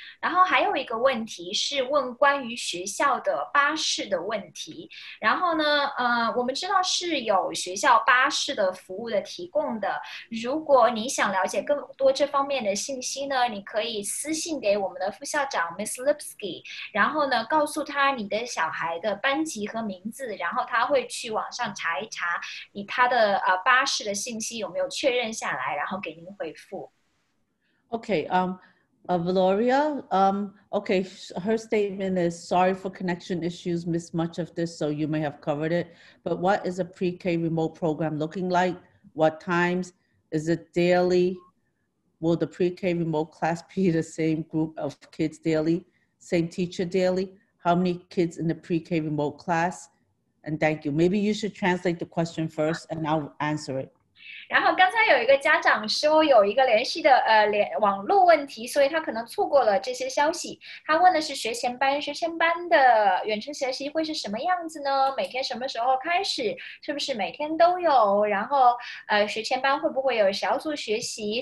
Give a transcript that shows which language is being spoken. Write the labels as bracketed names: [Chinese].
[Chinese] 然后还有一个问题是问关于学校的巴士的问题，然后呢，我们知道是有学校巴士的服务的提供的，如果你想了解更多这方面的信息呢，你可以私信给我们的副校长 Miss Lipsky， 然后呢告诉他你的小孩的班级和名字，然后他会去网上查一查你他的巴士的信息有没有确认下来，然后给您回复。 [English] OK, Valoria, okay, her statement is, sorry for connection issues, missed much of this, so you may have covered it, but what is a pre-K remote program looking like? What times? Is it daily? Will the pre-K remote class be the same group of kids daily? Same teacher daily? How many kids in the pre-K remote class? And thank you. Maybe you should translate the question first and I'll answer it. [Chinese] 然后刚才有一个家长说有一个联系的网络问题，所以他可能错过了这些消息。他问的是学前班，学前班的远程学习会是什么样子呢？每天什么时候开始？是不是每天都有？然后学前班会不会有小组学习？